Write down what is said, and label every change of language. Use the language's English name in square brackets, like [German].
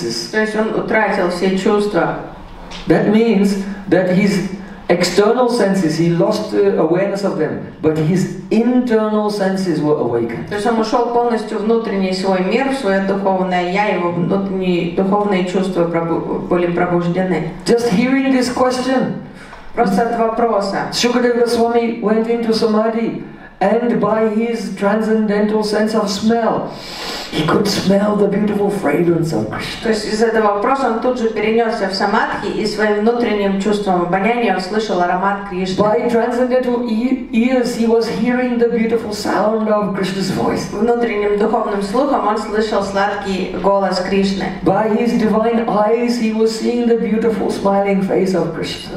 [Russian] То есть он утратил все чувства. [English] That means that his external senses, he lost awareness of them, but his internal senses were awakened. [Russian] То есть он ушел полностью в внутренний свой мир, в свое духовное я, его внутренние духовные чувства были пробуждены. [English] Just hearing this question. [Russian] Просто от вопроса. [English] Shukadeva Goswami went into samadhi, and by his transcendental sense of smell, he could smell the beautiful fragrance of Krishna. [Russian] То есть из этого вопроса он тут же перенесся в самадхи и своим внутренним чувством обоняния услышал аромат Кришны. [English] By transcendental ears, he was hearing the beautiful sound of Krishna's voice. [Russian] Внутренним духовным слухом он слышал сладкий голос Кришны. [English] By his divine eyes, he was seeing the beautiful smiling face of Krishna.